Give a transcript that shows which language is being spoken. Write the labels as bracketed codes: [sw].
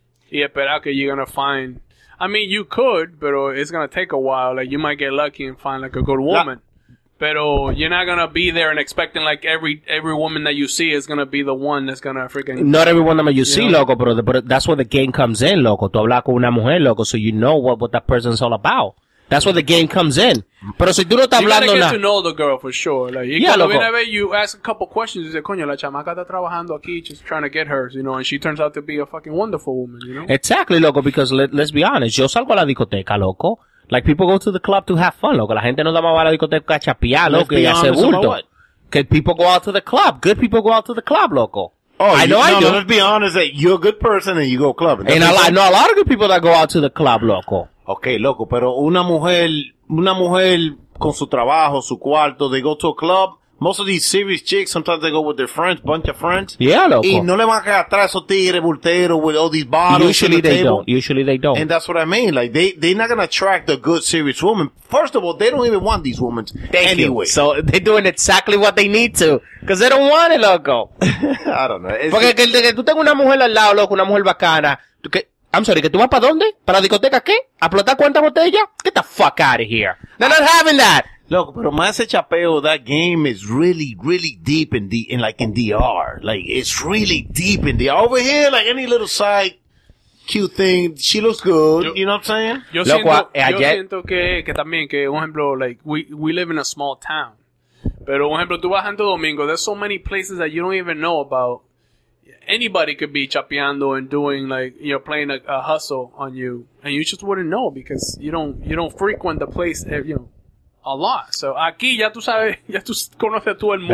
[es] y esperar que [en] you're gonna find. I mean, you could, [es] pero [en] it's gonna take a while. Like, you might get lucky and find like a good woman. [es] Pero [en] you're not gonna be there and expecting like every woman that you see is gonna be the one that's gonna freaking. Not every woman you see, know? Loco, but that's where the game comes in, loco. [es] Tú hablas con una mujer, [en] loco, so you know what that person's all about. That's where the game comes in. [es] Pero si tú no estás hablando nada. [en] You gotta get to know the girl for sure. Like, yeah, loco. [es] Cuando viene a ver, [en] you ask a couple questions. You say, [es] coño, la chamaca está trabajando aquí, [en] just trying to get hers, you know, and she turns out to be a fucking wonderful woman, you know? Exactly, loco, because let's be honest. [es] Yo salgo a la discoteca, loco. [en] Like, people go to the club to have fun, loco. [es] La gente no da más a la discoteca a chapear, loco, y hace bulto. [en] Que people go out to the club. Good people go out to the club, loco. Oh, I know. No, I do. Let's be honest that you're a good person and you go clubbing. And people, I know a lot of good people that go out to the club, loco. [es] Okay, loco, pero una mujer con su trabajo, su cuarto, [en] they go to a club. Most of these serious chicks, sometimes they go with their friends, bunch of friends. Yeah, loco. Y no le van a quedar atrás esos tigres, bulteros, with all these bottles. Usually they table. Don't. Usually they don't. And that's what I mean. Like, they're not going to attract the good, serious woman. First of all, they don't even want these women anyway. You. So they're doing exactly what they need to. Because they don't want it, loco. I don't know. It's [es] porque que tú tengas una mujer al lado, loco, una mujer bacana. Tú que, [en] I'm sorry, [es] ¿que tú vas para dónde? ¿Para la discoteca qué? ¿A explotar cuántas botellas? [en] Get the fuck out of here. They're not having that. Loco, [es] pero más ese chapeo, [en] that game is really, really deep in the, in like in DR. Like, it's really deep in DR. Over here, like any little side cute thing, she looks good. Yo, you know what I'm saying? [es] Yo loco, siento que también, que un ejemplo, [en] like, we live in a small town. [es] Pero un ejemplo, tú vas a Santo Domingo, [en] there's so many places that you don't even know about. Anybody could be chapeando and doing, like, you know, playing a hustle on you. And you just wouldn't know because you don't frequent the place, you know, a lot. [es] So, aquí ya tú sabes, ya tú conoces todo el mundo.